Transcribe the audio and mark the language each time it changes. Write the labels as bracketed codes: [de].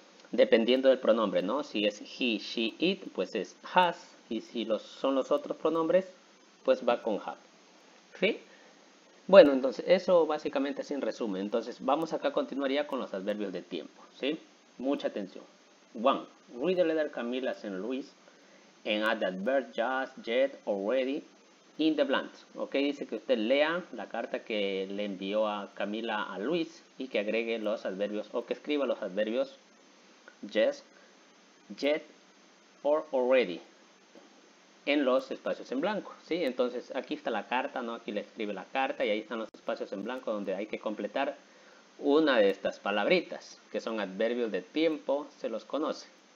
[es] Dependiendo del pronombre, ¿no? Si es he, she, it, pues es has. Y si son los otros pronombres, pues va con have. ¿Sí? Bueno, entonces eso básicamente es en resumen. Entonces vamos acá a continuar ya con los adverbios de tiempo. ¿Sí? Mucha atención. [en] One. Read the letter Camila St. Louis and add the adverb just, yet, already in the blank. [es] Ok, dice que usted lea la carta que le envió a Camila a Luis y que agregue los adverbios o que escriba los adverbios just, yet, or already en los espacios en blanco, ¿sí? Entonces, aquí está la carta, ¿no? Aquí le escribe la carta y ahí están los espacios en blanco donde hay que completar una de estas palabritas, que son adverbios de tiempo, se los conoce.